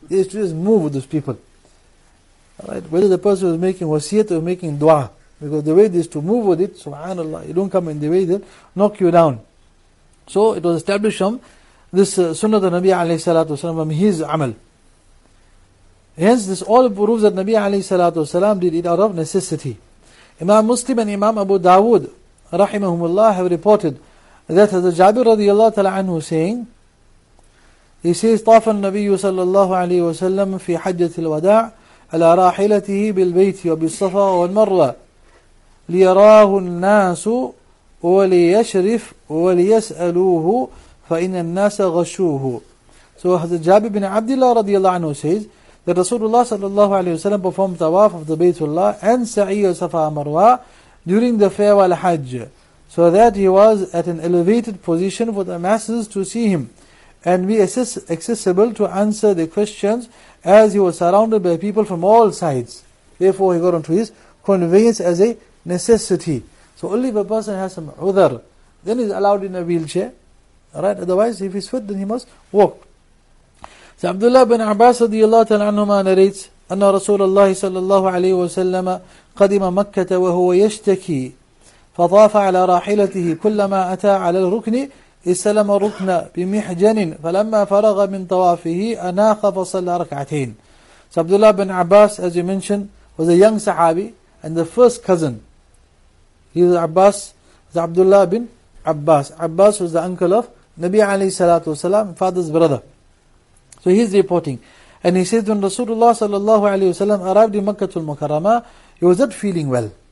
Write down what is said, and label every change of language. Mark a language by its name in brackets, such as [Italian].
[English] They used to just move with those people. Alright, whether the person was making wasiyat or making dua. Because the way they used to move with it, subhanallah, you don't come in the way, they'll knock you down. So it was established from this sunnah of the Nabi alayhi salatu wasalam, from his amal. Hence, this all proves that Nabi alayhi salatu wasalam did it out of necessity. Imam Muslim and Imam Abu Dawood rahimahumullah have reported that Hazrat Jabir radiallahu ta'ala anhu saying, he says, [Arabic] طاف النبي صلى الله عليه وسلم في حجة الوداع على راحلته بالبيت وبالصفا والمروة ليراه الناس وليشرف وليسألوه فإن الناس غشوه. [English] So Hazrat Jabir bin Abdullah radiallahu anhu says that Rasulullah صلى الله عليه وسلم performed tawaf of the Baytullah and Sa'i wa Safa Marwa during the farewell Hajj, so that he was at an elevated position for the masses to see him and be accessible to answer the questions, as he was surrounded by people from all sides. Therefore he got onto his conveyance as a necessity. So only if a person has some udhar, then he is allowed in a wheelchair, right? Otherwise if he's fit, then he must walk. So Abdullah bin Abbas radiallahu ta'ala anhuma narrates [Arabic] أن رسول الله صلى الله عليه وسلم قدم مكة وهو يشتكي فطاف على راحلته كلما أتى على الركن استلم الركن بمحجن فلما فرغ من طوافه أناخ فصلى ركعتين. [English] So Abdullah bin Abbas, as you mentioned, was a young Sahabi and the first cousin. He was Abbas, Abdullah bin Abbas. Abbas was the uncle of Nabi alayhi salatu wasalam, father's brother. So he's reporting. And he says, when Rasulullah sallallahu alayhi wa sallam arrived in Makkah al-Mukarramah, he was not feeling well.